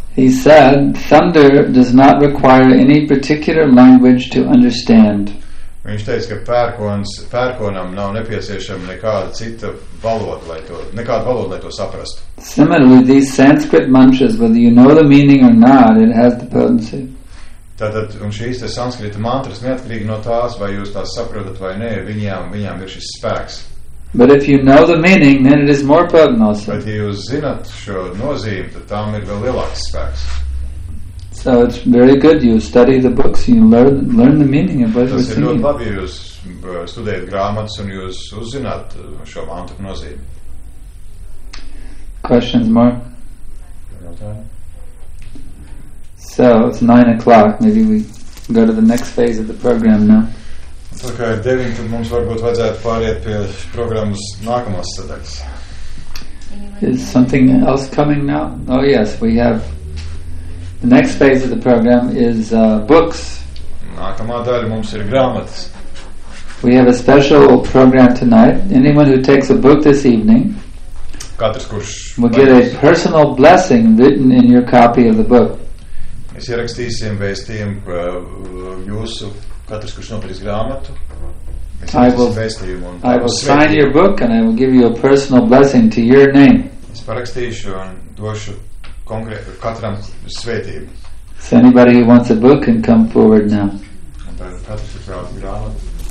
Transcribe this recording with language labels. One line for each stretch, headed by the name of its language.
English: He said, thunder does not require any particular language to understand.
Latvian: Viņš teica, ka pērkonam nav nepieciešama nekāda cita valoda, lai to saprastu.
English: Similarly, these Sanskrit mantras, whether you know the meaning or not, it has the potency.
Latvian: Tātad, un šīs te Sanskrita mantras neatkarīgi no tās, vai jūs tās saprotat vai nē, viņām ir šis spēks.
English: But if you know the meaning, then it is more potent also.
Latvian: Bet, ja jūs zināt šo nozīmi, tad tām ir vēl lielāks spēks.
English: So it's very good, you study the books, you learn the meaning of what
Latvian: tas
English: you're seeing.
Latvian: Tas ir ļoti labi, ja jūs studējat grāmatas un jūs uzzināt šo mantru nozīmi.
English: Questions more? So it's 9:00, maybe we go to the next phase of the program now.
Latvian: Tā kā ir 9, tad mums varbūt vajadzētu pāriet pie programmas nākamās sadaļas.
English: Is something else coming now? Oh yes, we have... The next phase of the program is books.
Latvian: Nākamā daļa mums ir grāmatas.
English: We have a special program tonight. Anyone who takes a book this evening We'll get a personal blessing written in your copy of the book.
Latvian: Mēs ierakstīsim vēstījumu jūsu katrs, kurš nopirks grāmatu.
English: I will sign your book and I will give you a personal blessing to your name.
Latvian: Es parakstīšu un došu katram svētību.
English: So anybody who wants a book can come forward now.
Latvian: Katrs, kurš vēlas grāmatu.